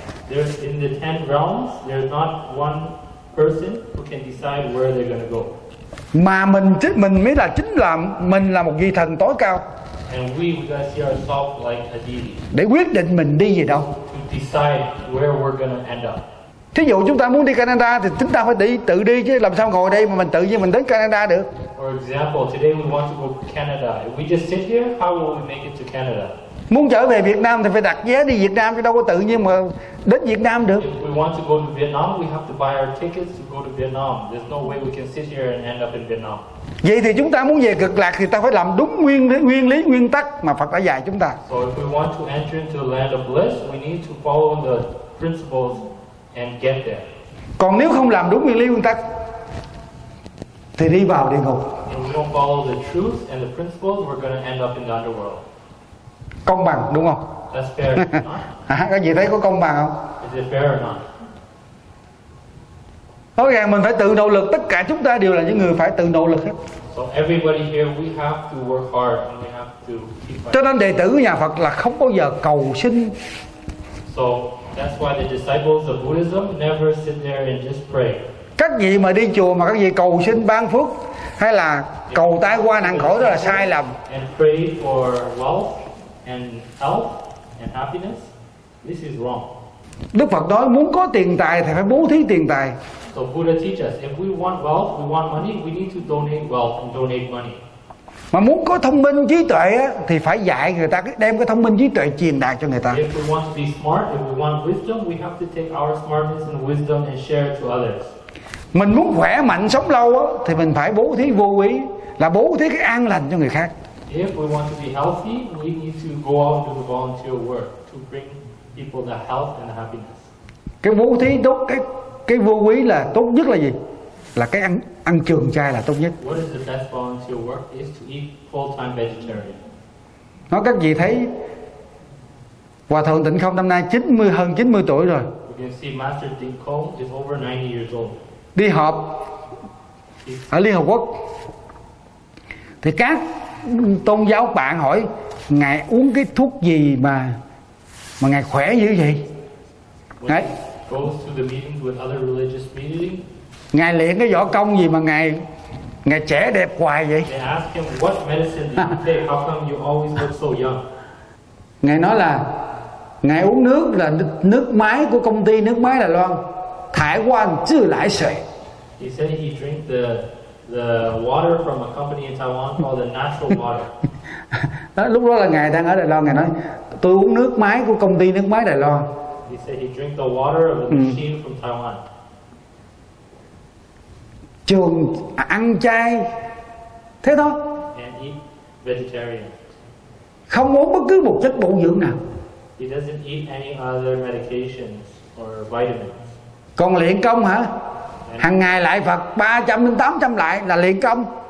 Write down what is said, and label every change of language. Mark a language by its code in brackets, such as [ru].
[en] There's in the ten realms, there's not one person who can decide where they're going to go. [vi] Mà mình mới là chính là mình là một vị thần tối cao. [en] And we gotta see ourselves like a deity. [vi] Để quyết định mình đi về đâu. [en] To decide where we're gonna end up. [vi] Thí dụ chúng ta muốn đi Canada thì chúng ta phải đi tự đi chứ làm sao ngồi đây mà mình tự nhiên mình đến Canada được. [en] For example, today we want to go to Canada. If we just sit here, how will we make it to Canada? [vi] Muốn trở về Việt Nam thì phải đặt vé đi Việt Nam chứ đâu có tự nhiên mà đến Việt Nam được. [en] If we want to go to Vietnam, we have to buy our tickets to go to Vietnam. There's no way we can sit here and end up in Vietnam. [vi] Vậy thì chúng ta muốn về cực lạc thì ta phải làm đúng nguyên lý nguyên tắc mà Phật đã dạy chúng ta. [en] So if we want to enter into the land of bliss, we need to follow the principles and get there. [vi] Còn nếu không làm đúng nguyên lý nguyên tắc thì đi vào địa ngục. [en] And we don't follow the truth and the principles, we're going to end up in the underworld. [vi] Công bằng đúng không? [en] That's fair or not? [vi] À, cái gì thấy có công bằng không? [en] Is it fair or not? [vi] Có nghĩa mình phải tự nỗ lực, tất cả chúng ta đều là những người phải tự nỗ lực hết. [en] So everybody here, we have to work hard and we have to keep fighting. [vi] Cho nên đệ tử nhà Phật là không bao giờ cầu xin. [en] So that's why the disciples of Buddhism never sit there and just pray. [vi] Các vị mà đi chùa mà các vị cầu xin ban phước hay là cầu tai qua nạn khổ đó là sai lầm. [en] And pray for wealth and health and happiness. This is wrong. [vi] Đức Phật nói muốn có tiền tài thì phải bố thí tiền tài. [en] So Buddha teach us, if we want wealth, we want money, we need to donate wealth and donate money. [vi] Mà muốn có thông minh trí tuệ á, thì phải dạy người ta, đem cái thông minh trí tuệ truyền đạt cho người ta. [en] If we want to be smart, if we want wisdom, we have to take our smartness and wisdom and share it to others. [vi] Mình muốn khỏe mạnh sống lâu á, thì mình phải bố thí vô úy, là bố thí cái an lành cho người khác. [en] If we want to be healthy, we need to go out to the volunteer work to bring people the health and the happiness. [vi] Cái bố thí tốt, cái vô úy là tốt nhất là gì? Là cái ăn ăn trường chay là tốt nhất. [en] What is the best volunteer work is to eat full-time vegetarian. [vi] Nói các vị thấy Hòa Thượng Tịnh Không năm nay 90, hơn 90 tuổi rồi. [en] You can see Master Tịnh Không is over 90 years old. [vi] Đi họp ở Liên Hợp Quốc thì các tôn giáo bạn hỏi ngài uống cái thuốc gì mà ngài khỏe như vậy. Đấy. [en] Goes to the meetings with other religious meeting. [vi] Ngài luyện cái võ công gì mà ngài trẻ đẹp hoài vậy? [en] They ask him, what medicine do you take? How come you always look so young? [vi] Ngài nói là ngài uống nước là nước máy của công ty, nước máy Đài Loan. Thải quan chứ lãi sợi. [en] He said he drank the water from a company in Taiwan called the natural water. [vi] Đó, lúc đó là ngài đang ở Đài Loan, ngài nói tôi uống nước máy của công ty nước máy Đài Loan. [en] He said he drank the water of the machine from Taiwan. [vi] Trường ăn chay thế thôi. [en] And eat vegetarian. [vi] Không uống bất cứ một chất bổ dưỡng nào. [en] He doesn't eat any other medications or vitamins. [vi] Còn luyện công hả? Hằng ngày lại Phật 300 đến 800 lại là luyện công.